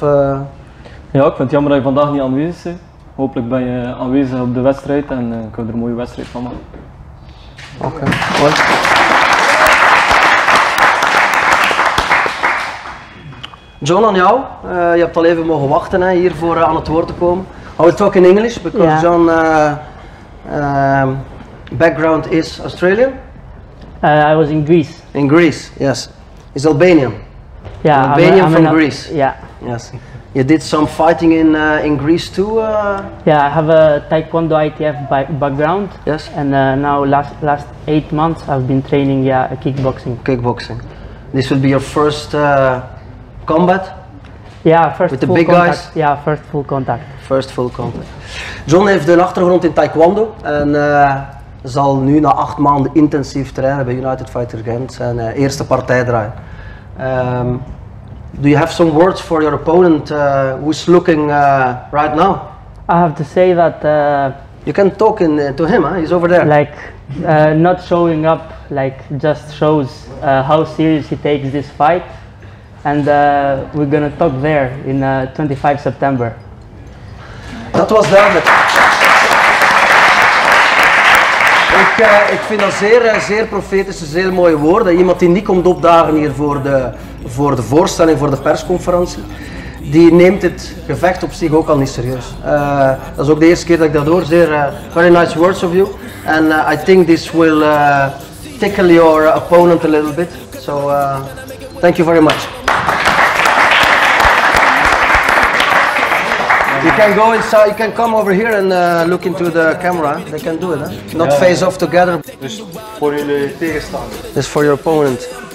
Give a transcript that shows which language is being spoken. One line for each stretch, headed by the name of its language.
Dutch: Ja, ik vind het jammer dat je vandaag niet aanwezig bent. Hopelijk ben je aanwezig op de wedstrijd en ik heb er een mooie wedstrijd van maken. Oké, mooi. John, aan jou. Je hebt al even mogen wachten hier voor aan het woord te komen.
English: I will talk in English, because yeah. John, background is Australian? I was in Greece. In Greece, yes. He's Albanian. Yeah, Albanian from Greece. Yeah. Yes. You did some fighting in Greece too? Yeah, I have a Taekwondo ITF background. Yes. And now last 8 months I've been training kickboxing. Kickboxing. This will be your first combat? Yeah, first with full the big contact. Guys? Yeah, first full contact. First full contact.
Dutch: John heeft een achtergrond in Taekwondo en zal nu na 8 maanden intensief trainen bij United Fighters Gent zijn eerste partij draaien.
English: Do you have some words for your opponent who's looking right now? I have to say that... You can talk in, to him, huh? He's over there. Like, not showing up, like, just shows how serious he takes this fight. And we're gonna talk there in 25 September.
Dutch: Dat was duidelijk. Ik vind dat zeer, zeer profetische, zeer mooie woorden. Iemand die niet komt opdagen hier voor de voorstelling, voor de persconferentie, die neemt het gevecht op zich ook al niet serieus. Dat is ook de eerste keer dat ik dat hoor.
English: Zeer, very nice words of you. And I think this will tickle your opponent a little bit. So, thank you very much. You can go inside, you can come over here and look into the camera. They can do it, huh? Not face off together.
Dutch: Dus voor jullie tegenstander. Dus voor
English: your opponent.